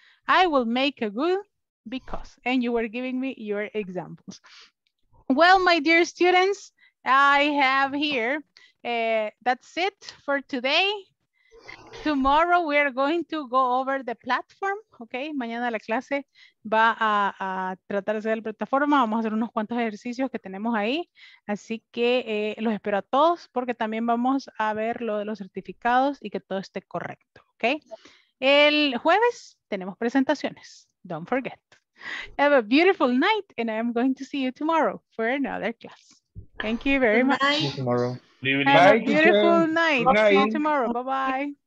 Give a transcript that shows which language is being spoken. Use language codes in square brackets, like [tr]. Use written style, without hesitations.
[en] I will make a good because, and you were giving me your examples. Well, my dear students, I have here. That's it for today. Tomorrow we are going to go over the platform, okay? [es] Mañana la clase va a tratar de hacer la plataforma. Vamos a hacer unos cuantos ejercicios que tenemos ahí. Así que los espero a todos porque también vamos a ver lo de los certificados y que todo esté correcto, okay? El jueves tenemos presentaciones. [en] Don't forget. Have a beautiful night and I am going to see you tomorrow for another class. Thank you very much. See you tomorrow. Have a beautiful night. See you tomorrow. Bye-bye.